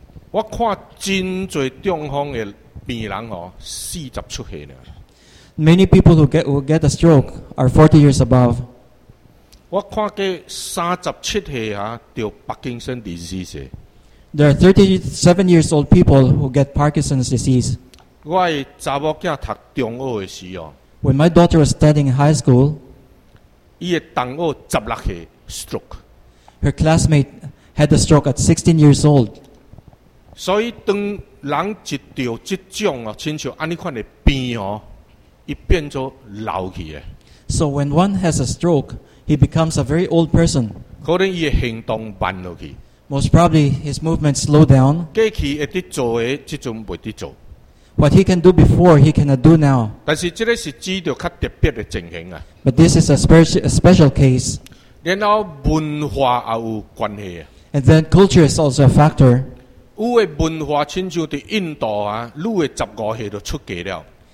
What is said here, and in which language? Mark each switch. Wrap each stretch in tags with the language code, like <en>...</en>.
<nan>我看真侪中风的病人哦，四十出血呢。</nan> <en>Many people who get a stroke are 40 years above.</en> <nan>我看过37岁啊，得帕金森 disease。</nan> <en>There are 37 years old people who get Parkinson's disease.</en> <nan>我的查某囝读中学的时候</nan> <en>，When my daughter was studying in high school,</en> <nan>伊的同学16岁 stroke.</nan> <en>Her classmate had a stroke at 16 years old.</en> <nan>所以当人一得这种哦，亲像安尼款的病哦。一变做老去的。</nan> <en>So when one has a stroke, he becomes a very old person.</en> <nan>可能伊的行动慢落去。</nan> <en>Most probably his movements slow down.</en> <nan>过去会得做的，即阵袂得做。</nan> <en>What he can do before, he cannot do now.</en> <nan>但是这个是指着较特别的情形啊。</nan> <en>But this is a special case.</en> <nan>然后文化也有关系啊。</nan> <en>And then culture is also a factor.</en> <nan>有的文化亲像伫印度啊，女的15岁就出嫁了。</nan>